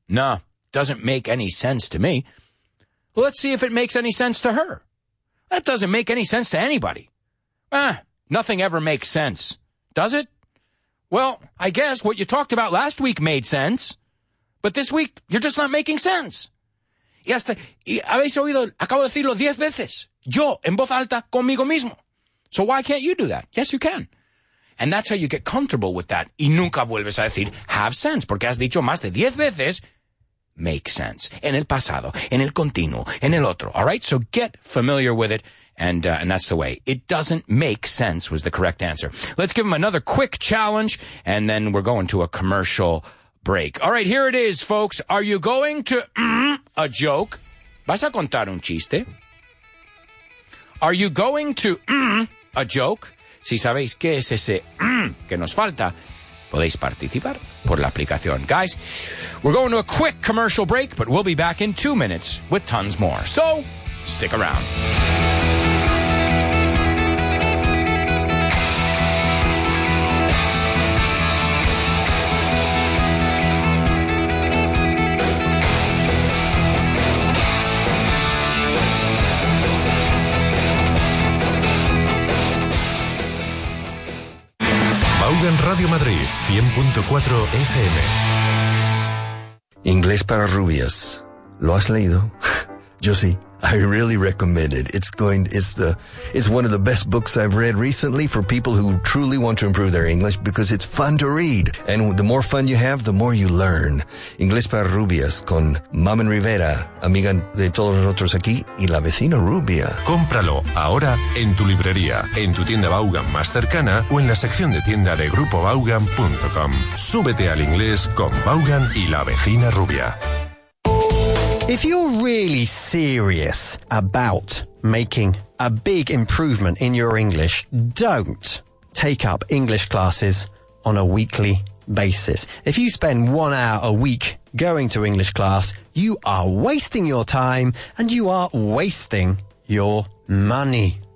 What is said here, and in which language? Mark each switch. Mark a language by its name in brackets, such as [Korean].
[English] No. Doesn't make any sense to me. Well, let's see if it makes any sense to her. That doesn't make any sense to anybody. Nothing ever makes sense. Does it? Well, I guess what you talked about last week made sense. But this week, you're just not making sense. [Spanish] Y hasta, y habéis oído, acabo de decirlo 10 veces. Yo, en voz alta, conmigo mismo. [English] So why can't you do that? Yes, you can. And that's how you get comfortable with that. [Spanish] Y nunca vuelves a decir, [English] have sense. [Spanish] Porque has dicho más de 10 veces... [English] make sense. [Spanish] En el pasado, en el continuo, en el otro. [English] All right? So get familiar with it, and that's the way. It doesn't make sense was the correct answer. Let's give them another quick challenge, and then we're going to a commercial break. All right, here it is, folks. Are you going to a joke? [Spanish] ¿Vas a contar un chiste? [English] Are you going to a joke? [Spanish] Si sabéis qué es ese que nos falta, podéis participar por la aplicación. [English] Guys, we're going to a quick commercial break, but we'll be back in 2 minutes with tons more. So, stick around. [Spanish] En Radio Madrid, 100.4 FM. Inglés para rubias. ¿Lo has leído? Yo sí. [English] I really recommend it. It's one of the best books I've read recently for people who truly want to improve their English because it's fun to read. And the more fun you have, the more you learn. [Spanish] Inglés para rubias con Mamen Rivera, amiga de todos nosotros aquí, y la vecina rubia. Cómpralo ahora en tu librería, en tu tienda Vaughan más cercana o en la sección de tienda de grupovaughan.com. Súbete al inglés con Vaughan y la vecina rubia. [English] If you're really serious about making a big improvement in your English, don't take up English classes on a weekly basis. If you spend 1 hour a week going to English class, you are wasting your time and you are wasting your money.